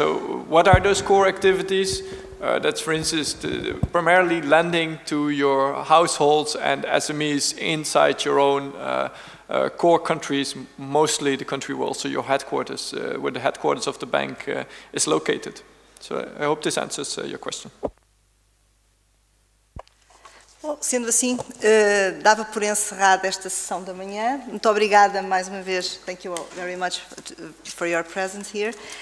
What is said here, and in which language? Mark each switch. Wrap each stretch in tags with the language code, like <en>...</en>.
<en>So what are those core activities? That's, for instance, primarily lending to your households and SMEs inside your own core countries, mostly the country where also your headquarters, where the headquarters of the bank is located. So I hope this answers your question.</en> <pt>Bom, sendo assim, dava por encerrada esta sessão da manhã. Muito obrigada mais uma vez.</pt> <en>Thank you all very much for your presence here.</en>